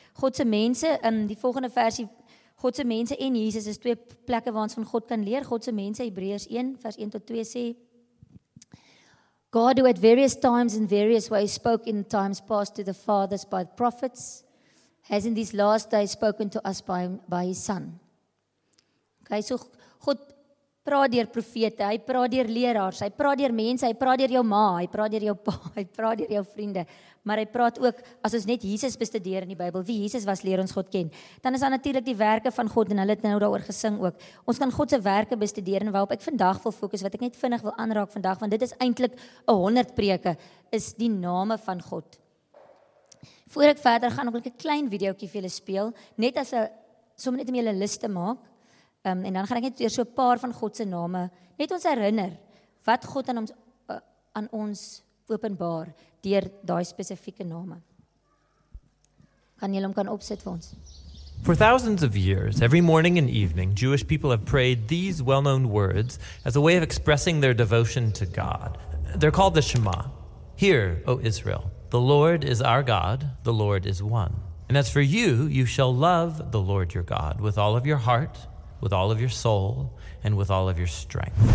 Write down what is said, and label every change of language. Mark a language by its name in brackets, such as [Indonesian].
[Afrikaans] Godse mense, in die volgende versie, Godse mense en Jesus is twee plekke waar ons van God kan leer. Godse mense, Hebreërs 1 vers 1 tot 2 sê, [English] God, who at various times and various ways spoke in times past to the fathers by the prophets, has in these last days spoken to us by his son. [Afrikaans] Okay, so God praat deur profete, hy praat deur leraars, hy praat deur mense, hy praat deur jou ma, hy praat deur jou pa, hy praat deur jou vriende. Maar hy praat ook, as ons net Jesus bestudeer in die Bybel, wie Jesus was, leer ons God ken. Dan is daar natuurlik die werke van God, en hulle het nou daaroor gesing ook. Ons kan God se werke bestudeer, en waarop ek vandag wil fokus, wat ek net vinnig wil aanraak vandag, want dit is eintlik 100 preke, is die name van God. Voor ek verder gaan, ook 'n klein videokie vir julle speel, net as sommer net om julle lys te maak, en dan gaan ek net weer so 'n paar van God se name, net ons herinner, wat God aan ons openbaar, deur daai spesifieke name. Kan jy hom kan opsit vir ons? [English] For thousands of years, every morning and evening, Jewish people have prayed these well-known words as a way of expressing their devotion to God. They're called the Shema. Hear, O Israel, the Lord is our God, the Lord is one. And as for you, you shall love the Lord your God with all of your heart, with all of your soul, and with all of your strength.